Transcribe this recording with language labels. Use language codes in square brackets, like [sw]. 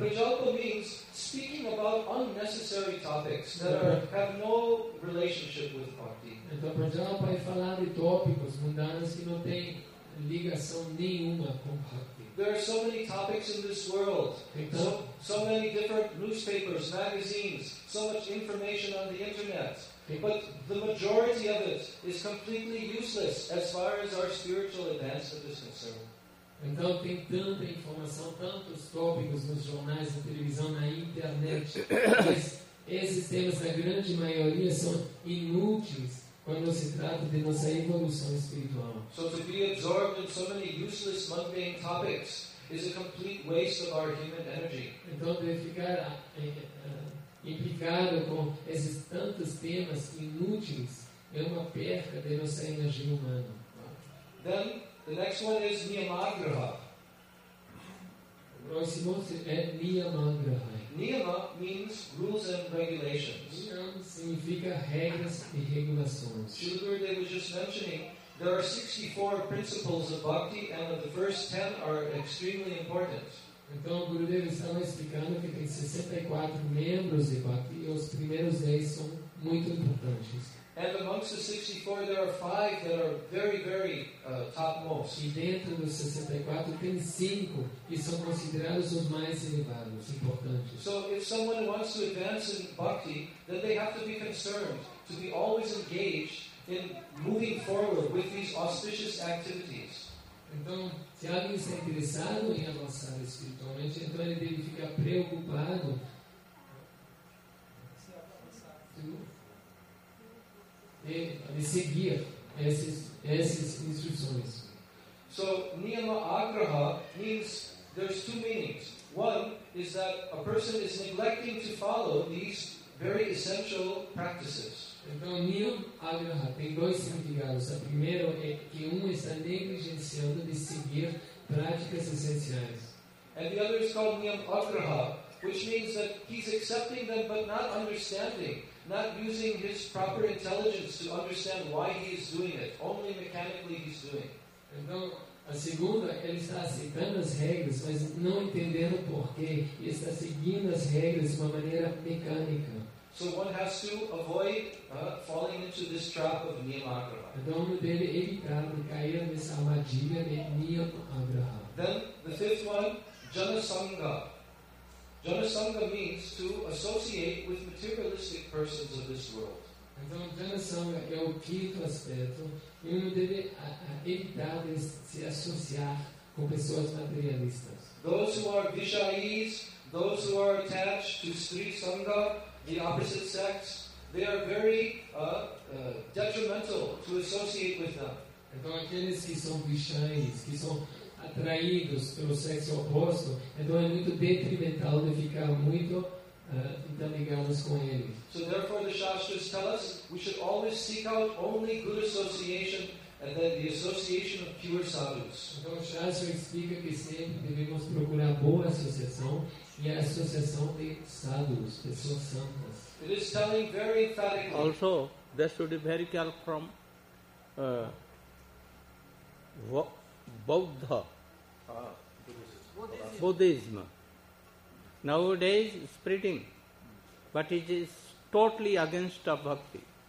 [en] Prajalpa means speaking about unnecessary topics that have no relationship with bhakti. [pt] Então prajalpa é falar de tópicos mundanos que não têm ligação nenhuma com bhakti. [en] There are so many topics in this world. [pt] Então, [en] so many different newspapers, magazines, so much information on the internet. But the majority of it is completely useless as far as our spiritual advancement is concerned. [pt] Então tem tanta informação, tantos tópicos nos jornais, na televisão, na internet, mas esses temas, na grande maioria, são inúteis quando se trata de nossa evolução espiritual. [en] So to be absorbed in so many useless mundane topics is a complete waste of our human energy. [pt] Então deve ficar implicado com esses tantos temas inúteis é uma perca de nossa energia humana. [en] Then the next one is niyamagraha. [pt] O próximo é niyamagraha. [en] Niyama means rules and regulations. [pt] Niyam significa regras e regulações. [en] Srila Gurudev was just mentioning there are 64 principles of bhakti and of the first 10 are extremely important. [pt] Então, o Gurudev estava explicando que tem 64 membros de Bhakti e os primeiros 10 são muito importantes. [en] And amongst the 64, there are 5 that are very, very topmost. [pt] E dentro dos 64, tem 5 que são considerados os mais elevados, importantes. [en] So, if someone wants to advance in Bhakti, then they have to be concerned to be always engaged in moving forward with these auspicious activities. [pt] Então, se alguém está interessado em avançar espiritualmente, então ele deve ficar preocupado. De seguir essas instruções. [en] So, niyama agraha means there's two meanings. One is that a person is neglecting to follow these very essential practices. [pt] Então, niyam agraha tem dois significados. O primeiro é que um está negligenciando de seguir práticas essenciais. [en] And the other is called niyam agraha, which means that he's accepting them but not understanding, not using his proper intelligence to understand why he is doing it. Only mechanically he's doing. [pt] Então, a segunda, ele está aceitando as regras, mas não entendendo por quê. E está seguindo as regras de uma maneira mecânica. [en] So one has to avoid falling into this trap of niyamagraha. Then the fifth one, janasangha. Janasangha means to associate with materialistic persons of this world. [pt] Então, janasangha é o quinto aspecto. E um deve evitar de se associar com pessoas materialistas. [en] Those who are vishayis, those who are attached to stri sangha, the opposite sex, they are very detrimental to associate with them. [pt] Então, aqueles que são vishayis, que são atraídos pelo sexo oposto, então é muito detrimental de ficar muito interligados com eles. [en] So therefore the Shastras tell us we should always seek out only good association and then the association of pure sadhus. [pt] Então o Shastra explica que sempre devemos procurar boa associação e a associação de sadhus, pessoas santas. [en] It is telling very emphatically. Also, there should be very careful from Buddha. Buddhism. Nowadays spreading, but it is totally against of bhakti.